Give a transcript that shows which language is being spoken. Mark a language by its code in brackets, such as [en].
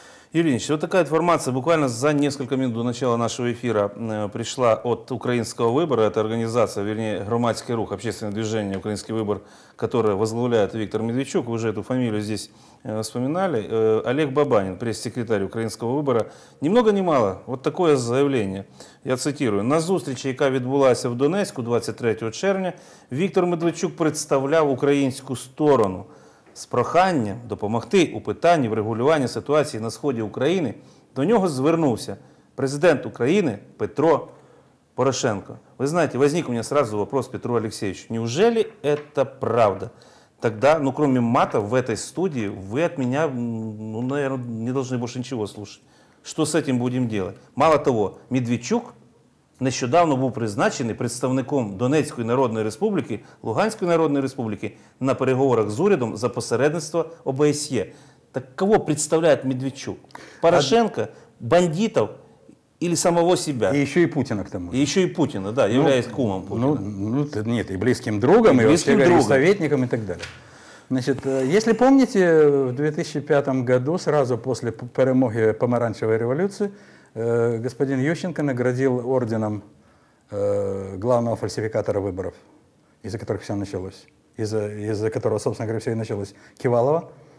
[ru] Юрий Ильич, вот такая информация буквально за несколько минут до начала нашего эфира пришла от Украинского выбора. Это организация, вернее, [uk] громадский рух, [ru] общественное движение «Украинский выбор», которое возглавляет Виктор Медведчук. Вы уже эту фамилию здесь вспоминали. Олег Бабанин, пресс-секретарь «Украинского выбора». Ни много ни мало, вот такое заявление. Я цитирую. [uk] На зустрічі, яка відбулася в Донецьку 23 червня, Віктор Медведчук представляв українську сторону з проханням допомогти у питанні врегулювання ситуації на сході України. До нього звернувся президент України Петро Порошенко. Ви знаєте, [ru] возник [uk] у мене одразу [ru] вопрос [uk] Петру Олексійовичу. [ru] Неужели [uk] це правда? [ru] Тогда, ну, кроме мата в этой студии, вы от меня, ну, наверное, не должны больше ничего слушать. Что с этим будем делать? Мало того, [uk] Медведчук нещодавно був призначений представником Донецької Народної Республіки, Луганської Народної Республіки на переговорах з урядом за посередництво ОБСЄ. Так кого представляє Медведчук? Порошенка, бандитів [ru] или самого себя? И еще и Путина к тому же. И еще и Путина, да, являясь кумом Путина. Нет, и близким другом, и вообще говоря, и советником, и так далее. Значит, если помните, в 2005 году, сразу после перемоги Помаранчевой революции, господин Ющенко наградил орденом главного фальсификатора выборов, из-за которых все началось, из-за которого, собственно говоря, все и началось, Кивалова.